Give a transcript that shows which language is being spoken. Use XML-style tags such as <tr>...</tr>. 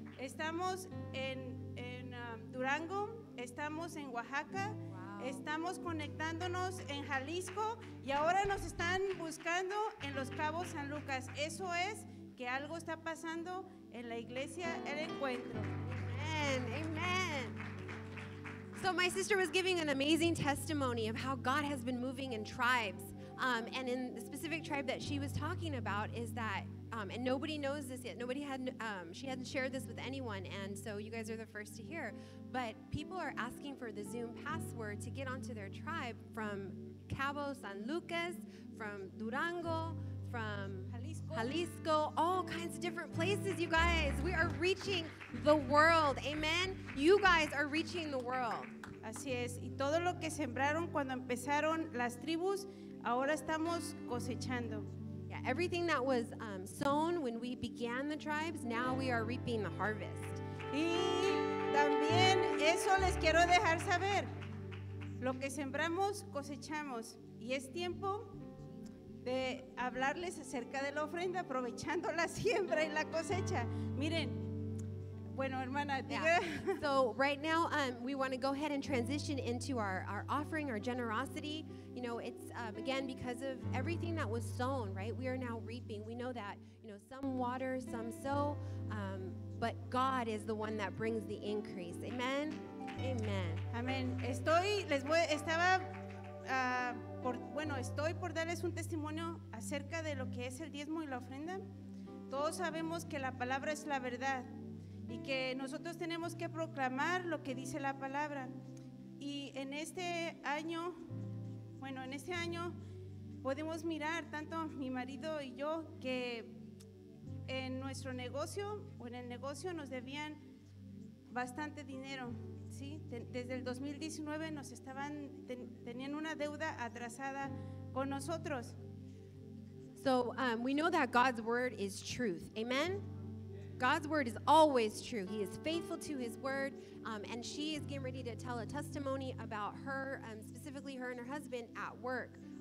<es>Estamos en Durango, estamos en Oaxaca. Estamos conectándonos en Jalisco y ahora nos están buscando en Los Cabos, San Lucas. Eso es que algo está pasando en la iglesia El Encuentro. Amen. Amen.</es> <en>So my sister was giving an amazing testimony of how God has been moving in tribes. And in the specific tribe that she was talking about is that, and nobody knows this yet. Nobody had, she hadn't shared this with anyone, and so you guys are the first to hear. But people are asking for the Zoom password to get onto their tribe from Cabo San Lucas, from Durango, from Jalisco, all kinds of different places, you guys. We are reaching the world, amen? You guys are reaching the world.</en> <es>Así es. Y todo lo que sembraron cuando empezaron las tribus, ahora estamos cosechando.</es> <en>Yeah, everything that was sown when we began the tribes, now we are reaping the harvest.</en> <es>Y también eso les quiero dejar saber. Lo que sembramos, cosechamos. Y es tiempo de hablarles acerca de la ofrenda, aprovechando la siembra y la cosecha. Miren, bueno, hermana, diga. Yeah.</es> <en>So right now, we want to go ahead and transition into our offering, our generosity. You know, it's, again, because of everything that was sown, right? We are now reaping. We know that, you know, some water, some sow, but God is the one that brings the increase. Amen? Amen. Amen.</en> <es>Estoy por darles un testimonio acerca de lo que es el diezmo y la ofrenda. Todos sabemos que la palabra es la verdad y que nosotros tenemos que proclamar lo que dice la palabra. Y en este año, bueno, en este año podemos mirar tanto mi marido y yo que en nuestro negocio o en el negocio nos debían bastante dinero, ¿sí? Desde el 2019 nos estaban tenían una deuda atrasada con nosotros.</es> <en>So we know that God's word is truth. Amen. God's word is always true. He is faithful to his word. And she is getting ready to tell a testimony about her, specifically her and her husband at work.</en>